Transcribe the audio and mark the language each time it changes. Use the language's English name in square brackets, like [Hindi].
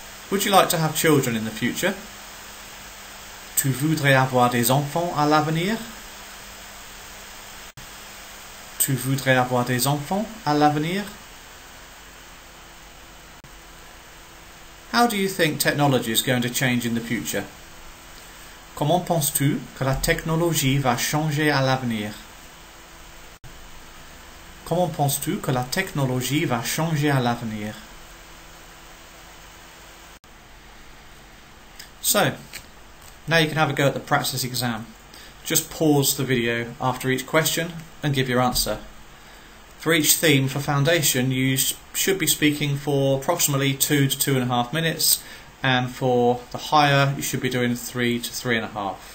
[English] Would you like to have children in the future? [French] Tu voudrais avoir des enfants à l'avenir? Tu voudrais avoir des enfants à l'avenir? [English] How do you think technology is going to change in the future? [French] Comment penses-tu que la technologie va changer à l'avenir? Comment penses-tu que la technologie va changer à l'avenir? [English] So, now you can have a go at the practice exam. Just pause the video after each question and give your answer. For each theme for foundation, you should be speaking for approximately 2 to 2.5 minutes, and for the higher, you should be doing 3 to 3.5.